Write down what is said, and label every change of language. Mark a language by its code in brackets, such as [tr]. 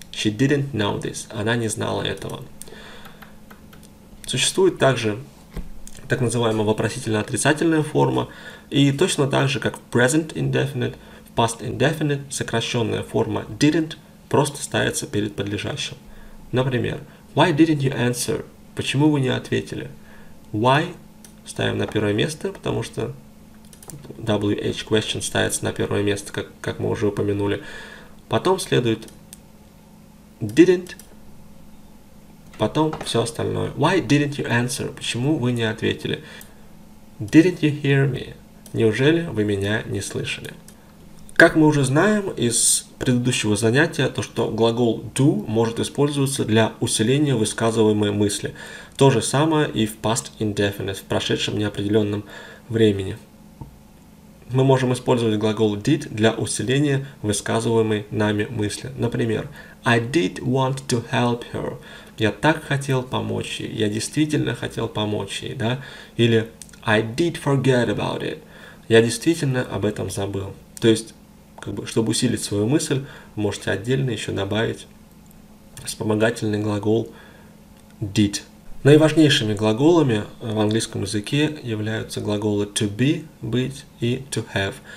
[en] She didn't know this. [ru] Она не знала этого. Существует также так называемая вопросительно-отрицательная форма. И точно так же, как в present indefinite, в past indefinite, сокращенная форма didn't просто ставится перед подлежащим. [en] Например, why didn't you answer? [ru] Почему вы не ответили? Why ставим на первое место, потому что WH question ставится на первое место, как мы уже упомянули. Потом следует didn't. Потом все остальное. [en] Why didn't you answer? [ru] Почему вы не ответили? [en] Didn't you hear me? [ru] Неужели вы меня не слышали? Как мы уже знаем из предыдущего занятия, то что глагол do может использоваться для усиления высказываемой мысли. То же самое и в past indefinite, в прошедшем неопределенном времени. Мы можем использовать глагол did для усиления высказываемой нами мысли. [en] Например, I did want to help her. [ru] Я так хотел помочь ей. Я действительно хотел помочь ей, да? [en] Или I did forget about it. [ru] Я действительно об этом забыл. То есть, как бы, чтобы усилить свою мысль, можете отдельно еще добавить вспомогательный глагол did. Наиважнейшими глаголами в английском языке являются глаголы to be, быть и to have.